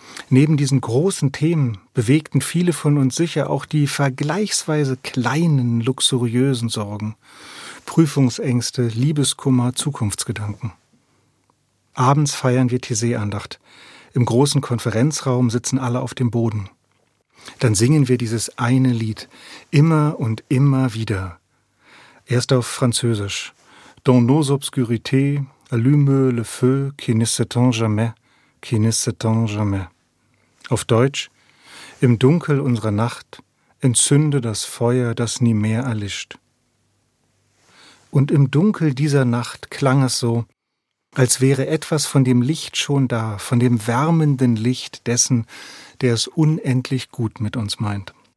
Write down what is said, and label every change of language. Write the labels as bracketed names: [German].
[German] Neben diesen großen Themen bewegten viele von uns sicher auch die vergleichsweise kleinen, luxuriösen Sorgen, Prüfungsängste, Liebeskummer, Zukunftsgedanken. Abends feiern wir Taizé-Andacht. Im großen Konferenzraum sitzen alle auf dem Boden. Dann singen wir dieses eine Lied, immer und immer wieder. Erst auf Französisch. [French] Dans nos obscurités, allume le feu qui ne s'éteint jamais, qui ne s'éteint jamais. [German] Auf Deutsch. Im Dunkel unserer Nacht entzünde das Feuer, das nie mehr erlischt. Und im Dunkel dieser Nacht klang es so, als wäre etwas von dem Licht schon da, von dem wärmenden Licht dessen, der es unendlich gut mit uns meint.